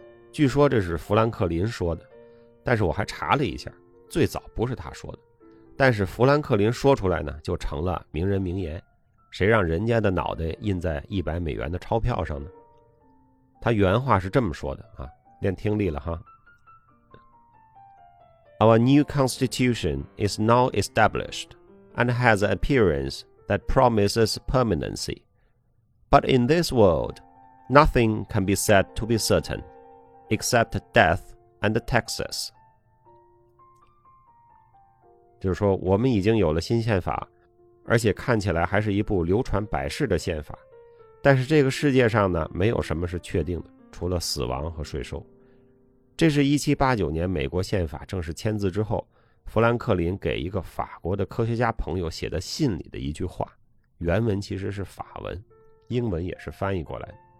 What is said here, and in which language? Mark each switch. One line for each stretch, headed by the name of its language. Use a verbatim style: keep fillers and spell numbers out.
Chinese: 据说这是富兰克林说的，但是我还查了一下，最早不是他说的，但是富兰克林说出来呢，就成了名人名言。谁让人家的脑袋印在一百美元的钞票上呢？他原话是这么说的啊，练听力了哈。
English: Our new constitution is now established and has an appearance that promises permanency. But in this world, nothing can be said to be certain, except death and taxes.
Chinese: 就是说，我们已经有了新宪法，而且看起来还是一部流传百世的宪法。但是这个世界上呢，没有什么是确定的，除了死亡和税收。这是一七八九年美国宪法正式签字之后，富兰克林给一个法国的科学家朋友写的信里的一句话，原文其实是法文，英文也是翻译过来。